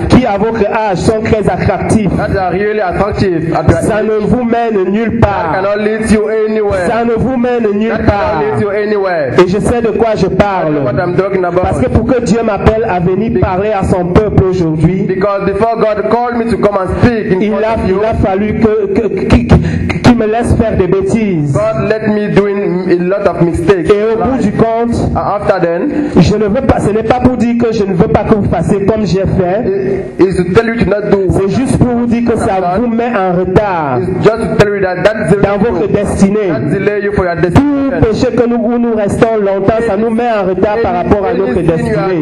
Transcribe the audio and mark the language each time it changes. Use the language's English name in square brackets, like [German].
[French] qui à votre âge sont très attractifs, [English] that are really attractive at your [French] ça [English] age. [French] Ne vous mène nulle part, [English] that cannot lead you anywhere. [French] Ça ne vous mène nulle [English] that [French] part, [English] cannot lead you anywhere. [French] Et je sais de quoi je parle, [English] what I'm talking about. [French] Parce que pour que Dieu m'appelle à venir parler à son peuple aujourd'hui, [English] because before God called me to come and speak in [French] il, [English] front [French] a, [English] of you, [French] il a fallu que me laisse faire des bêtises. [English] God let me doing a lot of mistakes. [French] Et au bout du compte, [English] after then, [French] je ne veux pas, ce n'est pas pour dire que je ne veux pas que vous fassiez comme j'ai fait. [English] Is to tell you to not do. [French] C'est juste pour vous dire que ça vous met en retard. [English] Just to tell you that that delay [French] dans votre destinée. [English] That delay you for your destiny. [French] Tout péché que nous, où nous restons longtemps, ça nous met en retard par rapport à notre destinée.